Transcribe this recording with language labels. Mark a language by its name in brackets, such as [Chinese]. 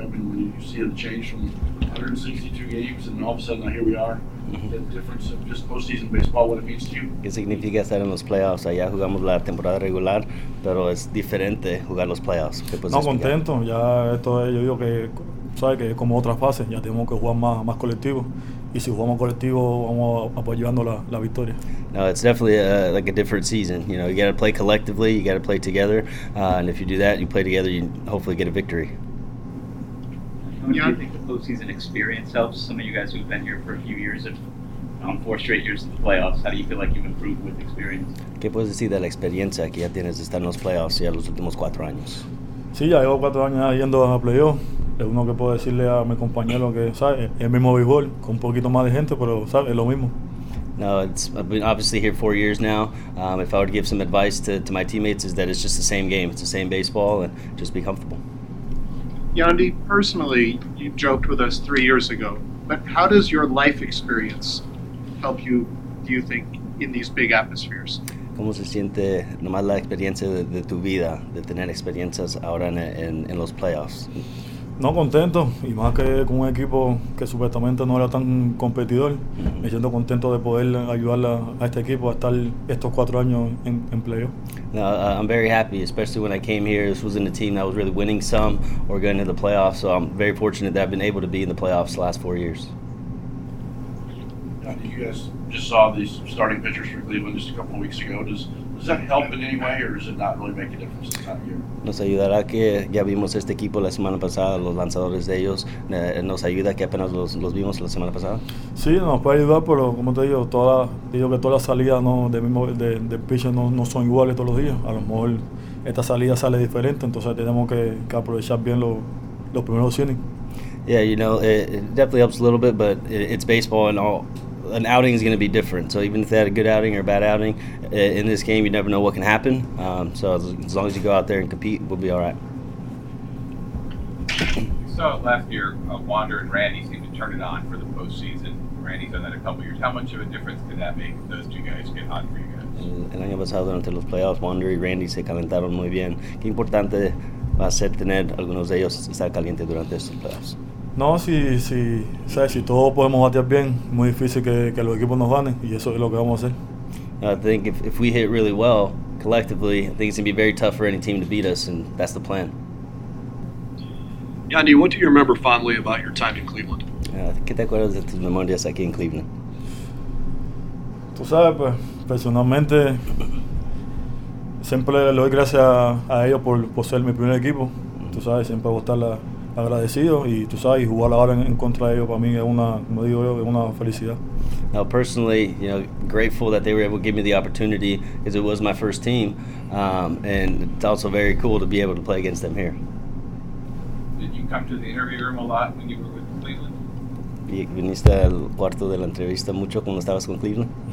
[English] I mean, when you see the change from 162 games, and all of a sudden here we are. Mm-hmm. The difference of just postseason baseball, what it means to you? [Spanish] ¿Qué significa estar en los playoffs? Allá jugamos la temporada regular, pero es diferente jugar los playoffs. ¿Qué puedes explicar? No, contento. Ya esto es, yo digo que, ¿sabes? Que es como otras fases. Ya tenemos que jugar más colectivo. Y si jugamos colectivo, vamos apoyando la victoria. [English] No, it's definitely like a different season. You know, you got to play collectively, you got to play together. And if you do that, you play together, you hopefully get a victory. Do you think the postseason experience helps? Some of you guys who've been here for a few years, four straight years in the playoffs, how do you feel like you've improved with experience? [Spanish] ¿Qué puedes decir de la experiencia que ya tienes de estar en los playoffs ya los últimos 4 años? Sí, ya llevo 4 años yendo a playoffs. Es uno que puedo decirle a mi compañero que, ¿sabes? Es el mismo béisbol, con un poquito más de gente, pero, ¿sabes? Es lo mismo. [English] No, I've been obviously here 4 years now. If I were to give some advice to my teammates, is that it's just the same game. It's the same baseball, and just be comfortable. Yandy, personally, you joked with us 3 years ago, but how does your life experience help you, do you think, in these big atmospheres? [Spanish] ¿Cómo se siente nomás la experiencia de tu vida, de tener experiencias ahora en los playoffs? No, contento, y más que con un equipo que supuestamente no era tan competidor. Mm-hmm. Me siento contento de poder ayudar a este equipo a estar estos 4 años en playoffs. [English] No, I'm very happy, especially when I came here. This wasn't a team that was really winning some or going to the playoffs, so I'm very fortunate that I've been able to be in the playoffs the last 4 years. Yeah, you guys just saw these starting pitchers for Cleveland just a couple of weeks ago. Does that help in any way, or does it not really make a difference this time of year? [Spanish] Nos ayudará que ya vimos este equipo la semana pasada, los lanzadores de ellos. Nos ayuda que apenas los vimos la semana pasada. Sí, nos puede ayudar, pero como te digo, todas las salidas no de pitcher no son iguales todos los días. A lo mejor esta salida sale diferente, entonces tenemos que aprovechar bien los primeros innings. [English] Yeah, you know, it definitely helps a little bit, but it's baseball and all. An outing is going to be different. So even if they had a good outing or a bad outing, in this game, you never know what can happen. So as long as you go out there and compete, we'll be all right. So last year, Wander and Randy seemed to turn it on for the postseason. Randy's done that a couple of years. How much of a difference can that make if those two guys get hot for you guys? [Spanish] El año pasado, durante los playoffs, Wander y Randy se calentaron muy bien. Qué importante va a ser tener algunos de ellos estar caliente durante estos playoffs. No, si todos podemos batear bien, muy difícil que los equipos nos ganen, y eso es lo que vamos a hacer. [English] I think if we hit really well, collectively, I think it's going to be very tough for any team to beat us, and that's the plan. Yandy, what do you remember fondly about your time in Cleveland? [Spanish] ¿Qué te acuerdas de tus memorias aquí en Cleveland? Tú sabes, pues, personalmente, siempre le doy gracias a ellos por ser mi primer equipo. Tú sabes, siempre voy a estar agradecido y tú sabes, y jugar ahora en contra de ellos para mí es una, como digo yo, es una felicidad. [English] Now personally, you know, grateful that they were able to give me the opportunity because it was my first team, and it's also very cool to be able to play against them here. Did you come to the interview room a lot when you were with Cleveland? [Spanish] ¿Viniste al cuarto de la entrevista mucho cuando estabas con Cleveland?